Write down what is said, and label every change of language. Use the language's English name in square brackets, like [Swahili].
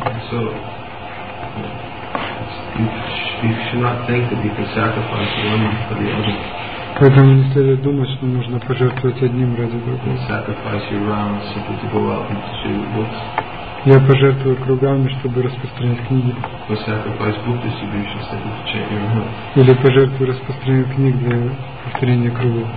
[English] So, you should not think that you can sacrifice one for the other. [Russian] Поэтому не следует думать, что нужно пожертвовать одним ради другого. [English] Sacrifice your rounds simply to go out and to books. [Russian] Я пожертвую кругами, чтобы распространять книги. [English] Or sacrifice book distribution simply to chant your rounds. [Russian] Или пожертвую распространение книг для повторения кругов.